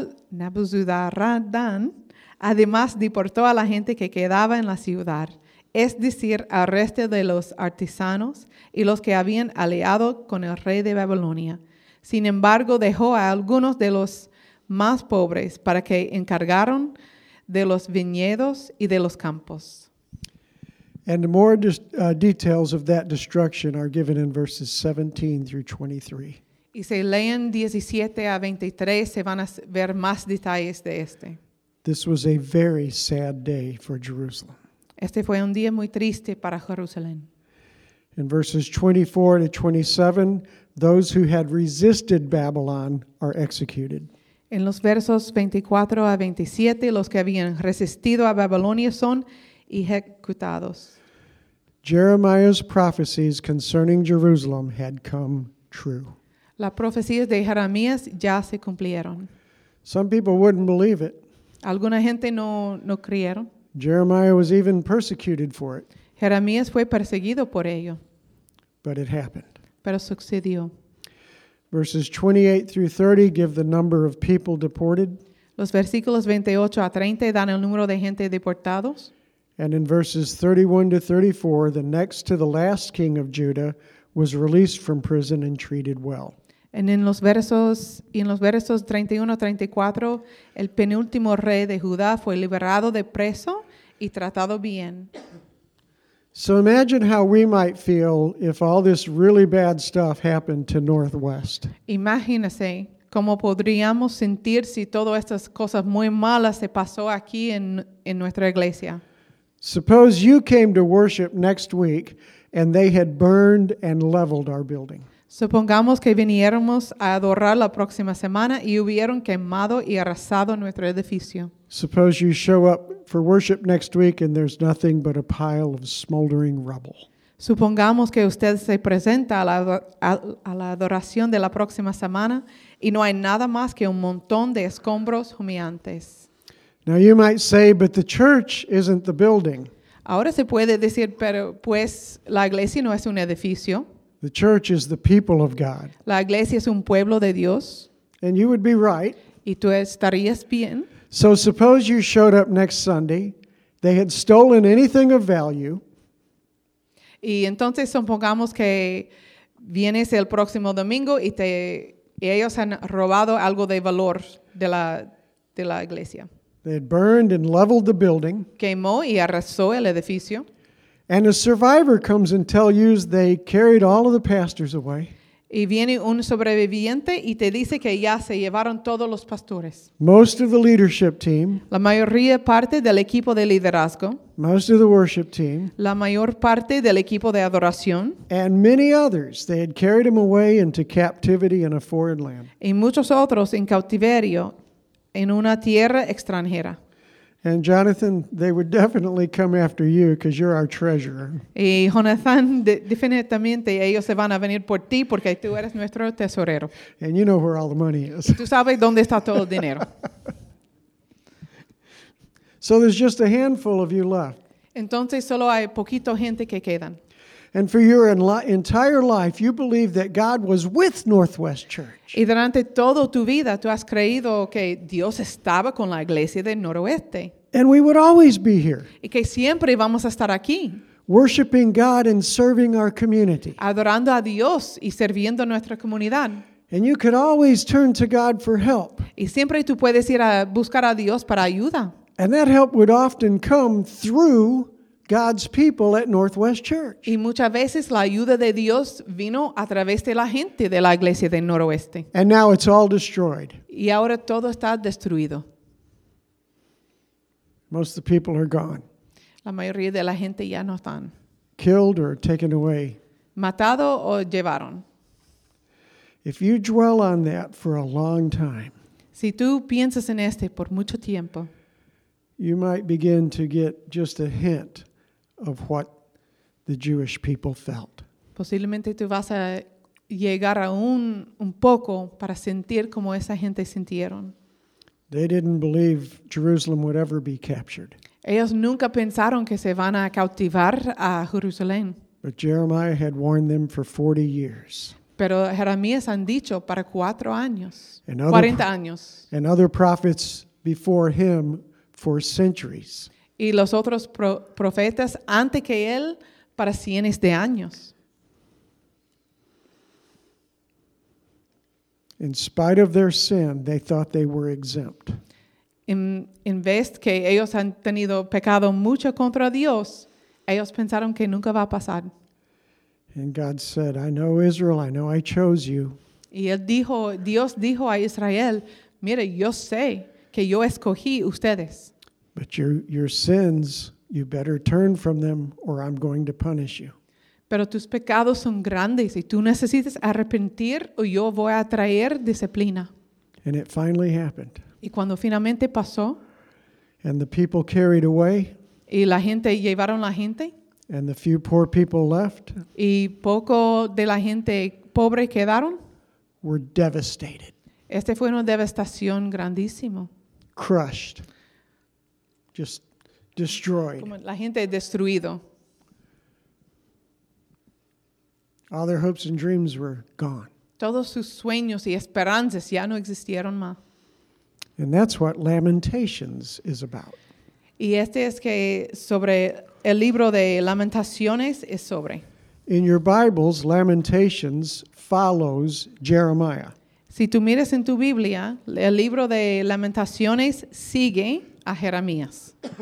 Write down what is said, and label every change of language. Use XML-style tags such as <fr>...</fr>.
<es>Nebuzaradan, además, deportó a la gente que quedaba en la ciudad, es decir, al resto de los artesanos y los que habían aliado con el rey de Babilonia. Sin embargo, dejó a algunos de los más pobres para que encargaran de los viñedos y de los campos.</es> <en>And more details of that destruction are given in verses 17 through 23.</en> <es>Y se leen 17 a 23, se van a ver más detalles de este.</es> <en>This was a very sad day for Jerusalem.</en> <es>Este fue un día muy triste para Jerusalén.</es> <en>In verses 24 to 27, those who had resisted Babylon are executed.</en> <es>En los versos 24 a 27, los que habían resistido a Babilonia son ejecutados.</es> <en>Jeremiah's prophecies concerning Jerusalem had come true.</en> <es>Las profecías de Jeremías ya se cumplieron.</es> <en>Some people wouldn't believe it.</en> <es>Alguna gente no creyeron.</es> <en>Jeremiah was even persecuted for it.</en> <es>Jeremías fue perseguido por ello.</es> <en>But it happened.</en> <es>Pero sucedió.</es> <en>Verses 28 through 30 give the number of people deported.</en> <es>Los versículos 28 a 30 dan el número de gente deportados.</es> <en>And in verses 31 to 34, the next to the last king of Judah was released from prison and treated well. And</en> <es>en los versos 31 a 34, el penúltimo rey de Judá fue liberado de preso y tratado bien.</es> <en>So imagine how we might feel if all this really bad stuff happened to Northwest.</en> <es>Imagínese cómo podríamos sentir si todas estas cosas muy malas se pasó aquí en nuestra iglesia.</es> <en>Suppose you came to worship next week and they had burned and leveled our building.</en> <es>Supongamos que viniéramos a adorar la próxima semana y hubieron quemado y arrasado nuestro edificio.</es> <en>Suppose you show up for worship next week and there's nothing but a pile of smoldering rubble.</en> <es>Supongamos que usted se presenta a la adoración de la próxima semana y no hay nada más que un montón de escombros humeantes.</es> <en>Now you might say, but the church isn't the building.</en> <es>Ahora se puede decir, pero pues la iglesia no es un edificio.</es> <en>The church is the people of God.</en> <es>La iglesia es un pueblo de Dios.</es> <en>And you would be right.</en> <es>Y tú estarías bien.</es> <en>So suppose you showed up next Sunday, they had stolen anything of value.</en> <es>Y entonces supongamos que vienes el próximo domingo y te y ellos han robado algo de valor de la iglesia.</es> <en>They had burned and leveled the building.</en> <es>Quemó y arrasó el edificio.</es> <en>And a survivor comes and tells you they carried all of the pastors away.</en> <es>Y viene un sobreviviente y te dice que ya se llevaron todos los pastores.</es> <en>Most of the leadership team.</en> <es>La mayoría parte del equipo de liderazgo.</es> <en>Most of the worship team.</en> <es>La mayor parte del equipo de adoración.</es> <en>And many others. They had carried them away into captivity in a foreign land.</en> <es>Y muchos otros en cautiverio en una tierra extranjera.</es> <en>And Jonathan, they would definitely come after you because you're our treasurer.</en> <es>Y Jonathan, definitivamente ellos se van a venir por ti porque tú eres nuestro tesorero.</es> <en>And you know where all the money is.</en> <es>Tú sabes dónde está todo el dinero.</es> <en>So there's just a handful of you left.</en> <es>Entonces solo hay poquito gente que quedan.</es> <en>And for your entire life, you believe that God was with Northwest Church.</en> <es>Y durante toda tu vida, tú has creído que Dios estaba con la iglesia de Noroeste.</es> <en>And we would always be here.</en> <es>Y que siempre vamos a estar aquí.</es> <en>Worshiping God and serving our community.</en> <es>Adorando a Dios y sirviendo nuestra comunidad.</es> <en>And you could always turn to God for help.</en> <es>Y siempre tú puedes ir a buscar a Dios para ayuda.</es> <en>And that help would often come through God's people at Northwest Church.</en> <es>Y muchas veces la ayuda de Dios vino a través de la gente de la iglesia de Noroeste.</es> <en>And now it's all destroyed.</en> <es>Y ahora todo está destruido.</es> <en>Most of the people are gone.</en> <es>La mayoría de la gente ya no están.</es> <en>Killed or taken away.</en> <es>Matado o llevaron.</es> <en>If you dwell on that for a long time.</en> <es>Si tú piensas en este por mucho tiempo.</es> <en>You might begin to get just a hint of what the Jewish people felt.</en> <es>Posiblemente tú vas a llegar a un poco para sentir como esa gente sintieron.</es> <en>They didn't believe Jerusalem would ever be captured.</en> <es>Ellos nunca pensaron que se van a cautivar a Jerusalén.</es> <en>But Jeremiah had warned them for 40 years.</en> <es>Pero Jeremías han dicho para 4 años. 40 años.</es> <en>And other prophets before him for centuries.</en> <es>Y los otros profetas antes que él para cientos de años.</es> <en>In spite of their sin, they thought they were exempt.</en> <es>En vez que ellos han tenido pecado mucho contra Dios, ellos pensaron que nunca va a pasar.</es> <en>And God said, I know Israel, I know I chose you.</en> <es>Y él dijo, Dios dijo a Israel, mire, yo sé que yo escogí ustedes.</es> <en>But your sins, you better turn from them or I'm going to punish you.</en> <es>Pero tus pecados son grandes y tú necesitas arrepentir o yo voy a traer disciplina.</es> <en>And it finally happened.</en> <es>Y cuando finalmente pasó.</es> <en>And the people carried away.</en> <es>Y la gente llevaron la gente.</es> <en>And the few poor people left.</en> <es>Y poco de la gente pobre quedaron.</es> <en>Were devastated.</en> <es>Este fue una devastación grandísimo.</es> <en>Crushed. Just destroyed.</en> <es>Como la gente destruido.</es> <en>All their hopes and dreams were gone.</en> <es>Todos sus sueños y esperanzas ya no existieron más.</es> <en>And that's what Lamentations is about.</en> <es>Y este es que sobre el libro de Lamentaciones es sobre.</es> <en>In your Bibles, Lamentations follows Jeremiah.</en> <es>Si tú miras en tu Biblia, el libro de Lamentaciones sigue a Jeremías.</es>